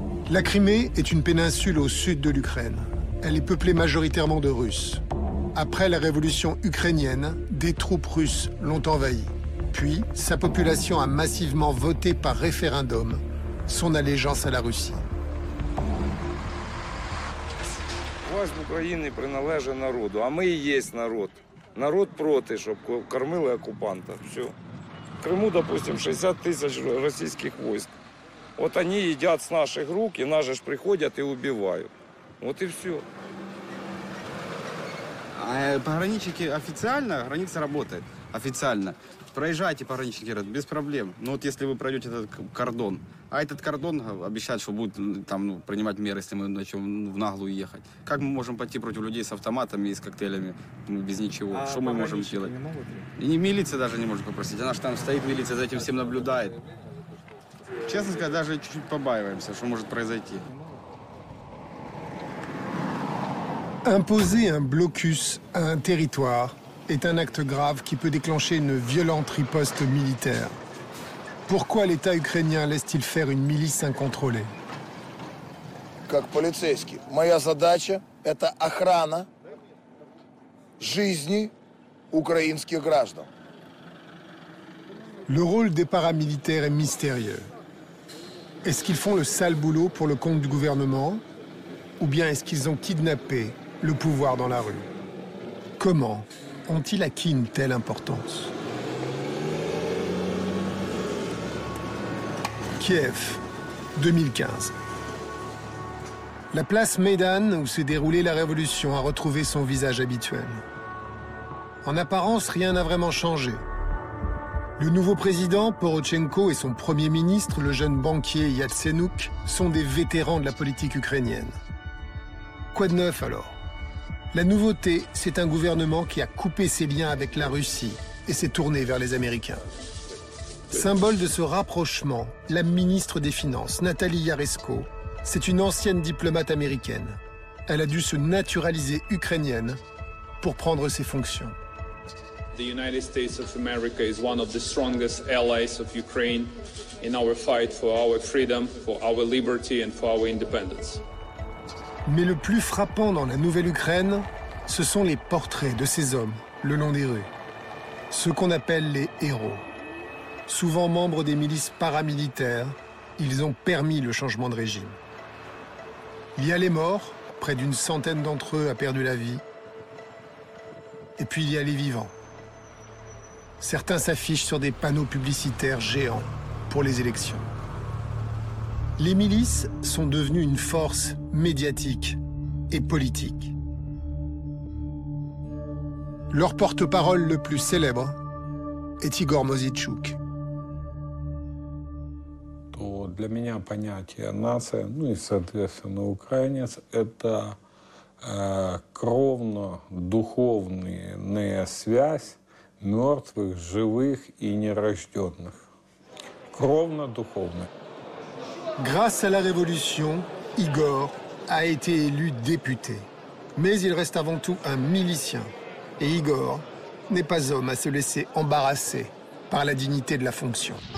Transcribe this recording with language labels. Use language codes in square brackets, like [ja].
[fr] La Crimée est une péninsule au sud de l'Ukraine. Elle est peuplée majoritairement de Russes. Après la révolution ukrainienne, des troupes russes l'ont envahie. Puis, sa population a massivement voté par référendum son allégeance à la Russie. [uk] Власть України приналежить народу, а ми і є народ. Народ проти, щоб кормили окупанта. Все. В Криму, допустим, 60 тисяч російських військ. От вони їдять з наших рук, і нас же ж приходять і вбивають. От і все. Пограничники офіційно, границя працює офіційно. Проїжджайте, пограничники, без проблем. Ну от якщо ви пройдете цей кордон. [ru] А этот кордон обещает, что будет там, ну, принимать меры, если мы начнем в наглую ехать. Как мы можем пойти против людей с автоматами и с коктейлями без ничего? А что мы можем делать? Не и милиция даже не может попросить. Она же там стоит, милиция за этим всем наблюдает. Честно сказать, даже чуть-чуть побаиваемся, что может произойти. [fr] Imposer un blocus à un territoire est un acte grave qui peut déclencher une violente riposte militaire. Pourquoi l'État ukrainien laisse-t-il faire une milice incontrôlée? [ru] Как полицейский, моя задача – это охрана жизни украинских граждан. [fr] Le rôle des paramilitaires est mystérieux. Est-ce qu'ils font le sale boulot pour le compte du gouvernement? Ou bien est-ce qu'ils ont kidnappé le pouvoir dans la rue? Comment ont-ils acquis une telle importance? Kiev, 2015. La place Maidan, où s'est déroulée la révolution, a retrouvé son visage habituel. En apparence, rien n'a vraiment changé. Le nouveau président, Porochenko, et son premier ministre, le jeune banquier Yatsenouk, sont des vétérans de la politique ukrainienne. Quoi de neuf, alors? La nouveauté, c'est un gouvernement qui a coupé ses liens avec la Russie et s'est tourné vers les Américains. Symbole de ce rapprochement, la ministre des Finances, Nathalie Yaresko, c'est une ancienne diplomate américaine. Elle a dû se naturaliser ukrainienne pour prendre ses fonctions. [en] The United States of America is one of the strongest allies of Ukraine in our fight for our freedom, for our liberty and for our independence. [fr] Mais le plus frappant dans la nouvelle Ukraine, ce sont les portraits de ces hommes le long des rues. Ceux qu'on appelle les héros. Souvent membres des milices paramilitaires, ils ont permis le changement de régime. Il y a les morts, près d'une centaine d'entre eux a perdu la vie. Et puis il y a les vivants. Certains s'affichent sur des panneaux publicitaires géants pour les élections. Les milices sont devenues une force médiatique et politique. Leur porte-parole le plus célèbre est Igor Mosichuk. [ru] Для меня понятие нация, ну и, соответственно, украинец, это кровно-духовная связь мертвых, живых и нерожденных. Кровно-духовная. [fr] Grâce à la révolution, Igor a été élu député. Mais il reste avant tout un milicien. Et Igor n'est pas homme à se laisser embarrasser par la dignité de la fonction.